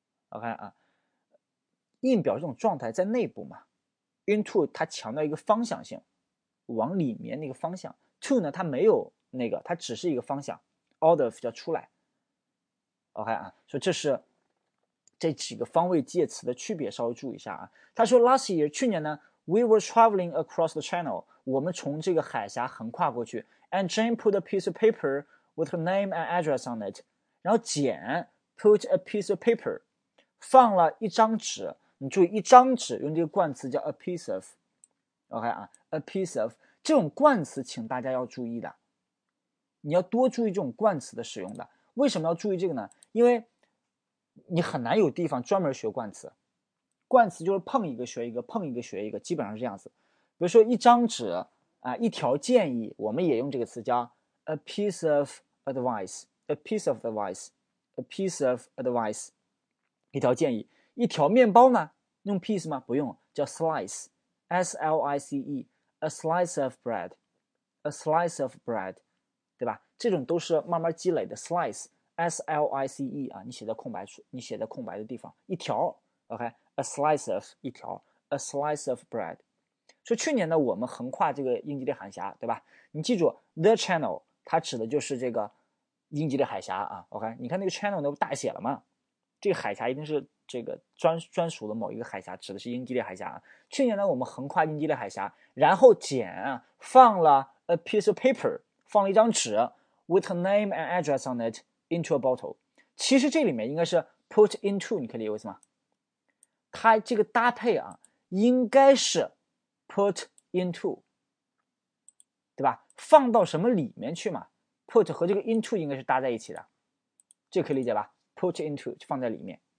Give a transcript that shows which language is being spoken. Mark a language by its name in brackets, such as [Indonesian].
[Chinese] OK 啊， in 表示这种状态在内部嘛， into 它强调一个方向性，往里面那个方向 ，to 呢？它没有那个，它只是一个方向 ，out of 叫出来。 OK 啊，所以这是这几个方位介词的区别，稍微注意一下啊。 [English] 他说 ，last year [Chinese] 去年呢 [English] ，we were traveling across the channel， [Chinese] 我们从这个海峡横跨过去 [English] ，and Jane put a piece of paper with her name and address on it， [Chinese] 然后简 [English] put a piece of paper， [Chinese] 放了一张纸，你注意一张纸用这个冠词叫 [English] a piece of。 [Chinese] OK 啊 ，a piece of 这种冠词，请大家要注意的，你要多注意这种冠词的使用的。为什么要注意这个呢？因为你很难有地方专门学冠词，冠词就是碰一个学一个，碰一个学一个，基本上是这样子。比如说一张纸啊，一条建议，我们也用这个词叫 a piece of advice，a piece of advice，a piece of advice，一条建议。一条面包呢，用 piece 吗？不用，叫 slice，S-L-I-C-E， [English] a slice of bread，a slice of bread， [Chinese] 对吧？这种都是慢慢积累的 slice，S-L-I-C-E 啊，你写在空白处，你写在空白的地方，一条，OK，a slice of 一条， [English] a slice of bread。 [Chinese] 说去年呢，我们横跨这个英吉利海峡，对吧？你记住 the channel，它指的就是这个英吉利海峡啊。 OK，你看那个 channel 那不大写了吗？这个海峡一定是这个专属的某一个海峡，指的是英吉利海峡啊。去年呢，我们横跨英吉利海峡，然后放了 a piece of paper，放了一张纸 [English] with a name and address on it into a bottle。 [Chinese] 其实这里面应该是 put into，你可以理解为什么？它这个搭配啊，应该是。Put into，对吧？放到什么里面去嘛？Put 和这个 into 应该是搭在一起的，这可以理解吧？Put into 就放在里面。